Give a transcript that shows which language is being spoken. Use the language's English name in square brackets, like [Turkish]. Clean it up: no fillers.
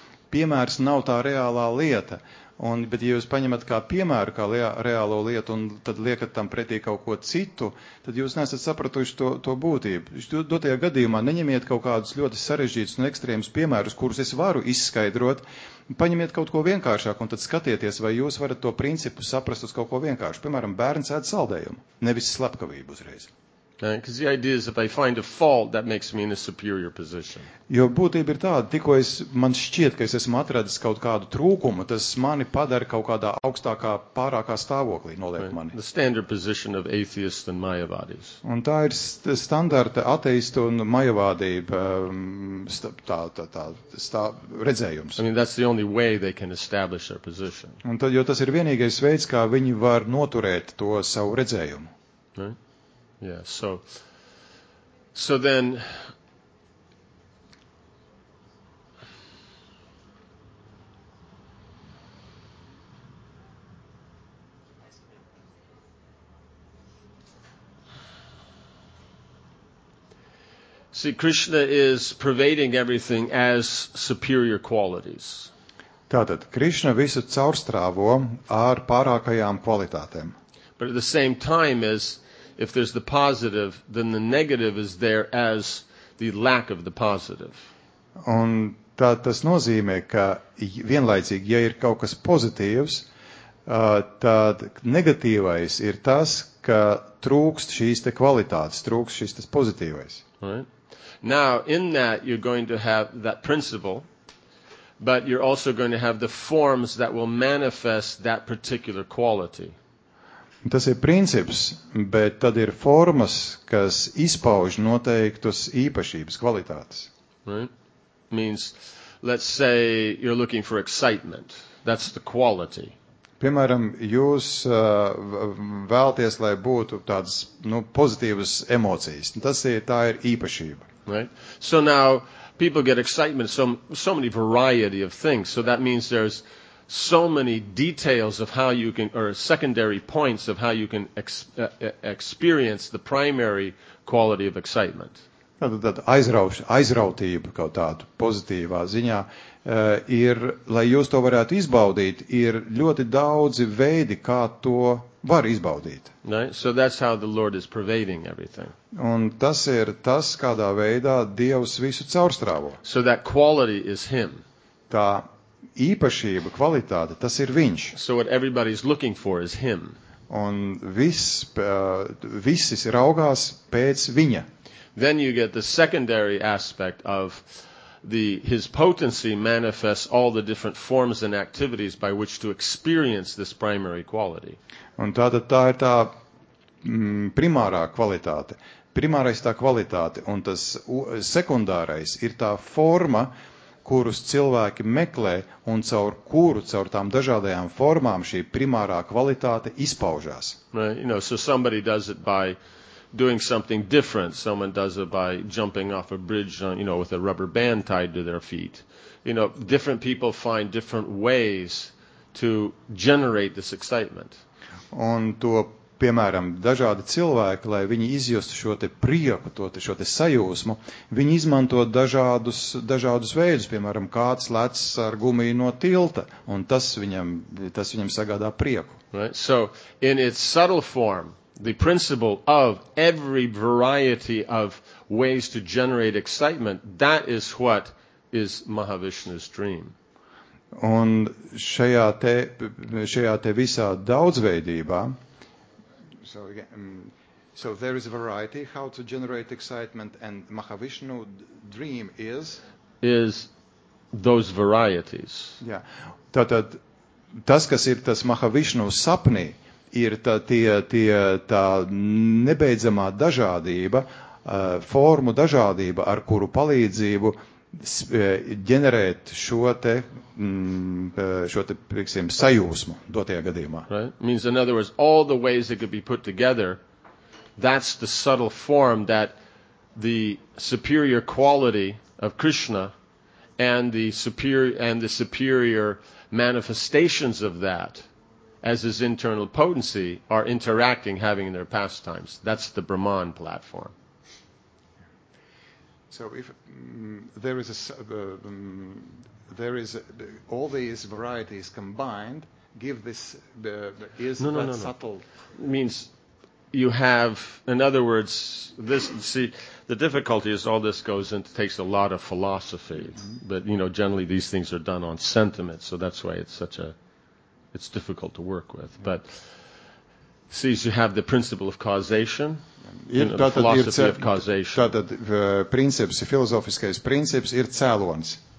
[Latvian] Piemērs nav tā reālā lieta. Un, bet, ja jūs paņemat kā piemēru, kā reālo lietu, un tad liekat tam pretī kaut ko citu, tad jūs nesat sapratuši to būtību. Dotajā gadījumā neņemiet kaut kādus ļoti sarežģītus un ekstrēmus piemērus, kurus es varu izskaidrot. Paņemiet kaut ko vienkāršāk un tad skatieties, vai jūs varat to principu saprast uz kaut ko vienkāršu. Piemēram, bērns ēd saldējumu, nevis slepkavību uzreiz. [English] Because the idea is if I find a fault, that makes me in a superior position. [Latvian] Jo būtība ir tāda, tikko es, man šķiet, ka es esmu atradis kaut kādu trūkumu, tas mani padara kaut kādā augstākā, pārākā stāvoklī, noliek mani. [English] Right. The standard position of atheists and mayavadis. [Latvian] Un tā ir standarta ateistu un mayavādība redzējums. [English] I mean, that's the only way they can establish their position. [Latvian] Un tad, jo tas ir vienīgais veids, kā viņi var noturēt to savu redzējumu. [English] Right. Yeah, so then see, Krishna is pervading everything as superior qualities. [Latvian] Tātad, Krishna visu caurstrāvo ar pārākajām kvalitātēm. [English] But at the same time as if there's the positive, then the negative is there as the lack of the positive. [Latvian] Un tā tas nozīmē, ka vienlaicīgi, ja ir kaut kas pozitīvs, tad negatīvais ir tas, ka trūkst šīs te kvalitātes, trūkst šīs tas pozitīvais. [English] Right. Now, in that, you're going to have that principle, but you're also going to have the forms that will manifest that particular quality. [Latvian] Tas ir princips, bet tad ir formas, kas izpauž noteiktus īpašības kvalitātes. [English] Right. Means, let's say, you're looking for excitement. That's the quality. [Latvian] Piemēram, jūs vēlties, lai būtu tādas, nu, pozitīvas emocijas. Tas ir, tā ir īpašība. [English] Right. So now, people get excitement, so many variety of things. So that means there's so many details of how you can, or secondary points of how you can experience the primary quality of excitement. [Latvian] Tad aizrautība kaut tādu pozitīvā ziņā ir, lai jūs to varētu izbaudīt, ir ļoti daudzi veidi, kā to var izbaudīt. [English] Right? So that's how the Lord is pervading everything. [Latvian] Un tas ir tas, kādā veidā Dievs visu caurstrāvo. [English] So that quality is him. [Latvian] Tā īpašība, kvalitāte, tas ir viņš. [English] So what everybody's looking for is him. [Latvian] Un visi raugās pēc viņa. [English] Then you get the secondary aspect of his potency manifests all the different forms and activities by which to experience this primary quality. [Latvian] Un tātad tā ir tā primārā kvalitāte. Primārais tā kvalitāte, un tas sekundārais ir tā forma, kurus cilvēki meklē un caur tām dažādajām formām šī primārā kvalitāte izpaužās. [English] Right, you know, so somebody does it by doing something different. Someone does it by jumping off a bridge, you know, with a rubber band tied to their feet. You know, different people find different ways to generate this excitement. [Latvian] Un to, piemēram, dažādi cilvēki, lai viņi izjustu šo te prieku, šo te sajūsmu, viņi izmanto dažādus veidus, piemēram, kāds lec ar gumiju no tilta, un tas viņam sagādā prieku. [English] Right. So, in its subtle form, the principle of every variety of ways to generate excitement, that is what is Mahavishnu's dream. [Latvian] Un šajā te visā daudzveidībā, [English] So there is a variety how to generate excitement, and Mahavishnu dream is those varieties. Yeah. [Latvian] Tātad tas, kas ir tas Mahavishnu sapnī, ir tā nebeidzamā dažādība, formu dažādība, ar kuru palīdzību ģenerēt šo te, piemēram, sajūsmu dotajā gadījumā. [English] Right. Means in other words, all the ways it could be put together, that's the subtle form that the superior quality of Krishna and the superior manifestations of that as his internal potency, are interacting, having their pastimes. That's the Brahman platform. So if all these varieties combined give this subtle. Means you have, in other words, this. See, the difficulty is all this goes into, takes a lot of philosophy, mm-hmm. but you know generally these things are done on sentiment, so that's why it's such a, it's difficult to work with. Yeah. But see, so you have the principle of causation. [Latvian] Ir [English] you know, [Latvian] tātad, [English] the philosophy [Latvian] ir tātad princips, filozofiskais princips ir cēlons.